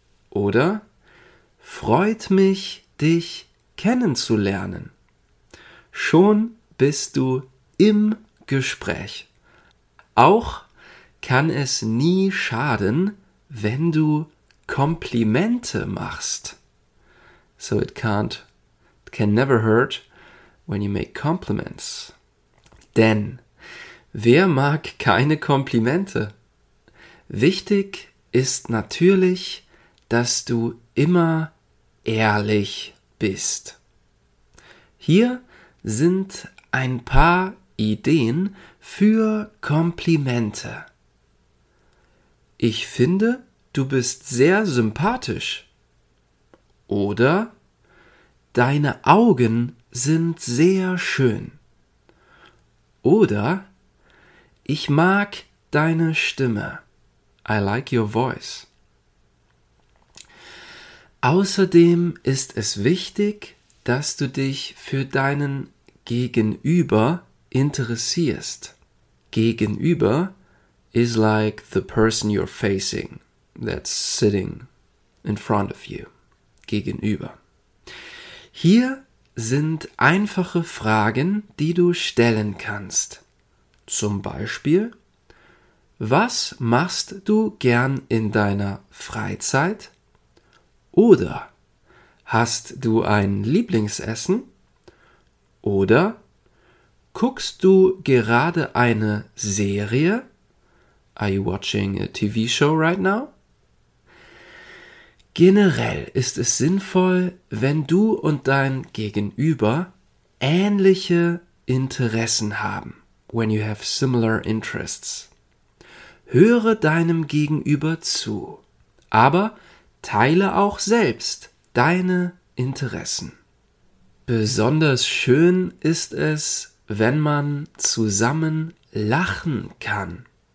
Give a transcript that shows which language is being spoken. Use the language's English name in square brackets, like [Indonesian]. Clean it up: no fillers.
[German] Oder: Freut mich, dich kennenzulernen. Schon bist du im Gespräch. Auch kann es nie schaden, wenn du Komplimente machst. [English] So it can never hurt when you make compliments. [German] Denn wer mag keine Komplimente? Wichtig ist natürlich, dass du immer ehrlich bist. Hier sind ein paar Ideen für Komplimente. Ich finde, du bist sehr sympathisch. Oder deine Augen sind sehr schön. Oder ich mag deine Stimme. [English] I like your voice. [German] Außerdem ist es wichtig, dass du dich für deinen Gegenüber interessierst. [English] Gegenüber is like the person you're facing, that's sitting in front of you. [German] Gegenüber. Hier sind einfache Fragen, die du stellen kannst. Zum Beispiel: Was machst du gern in deiner Freizeit? Oder: Hast du ein Lieblingsessen? Oder: Guckst du gerade eine Serie? [English] Are you watching a TV show right now? [German] Generell ist es sinnvoll, wenn du und dein Gegenüber ähnliche Interessen haben. [English] When you have similar interests. [German] Höre deinem Gegenüber zu, aber teile auch selbst deine Interessen. Besonders schön ist es, wenn man zusammen lachen kann.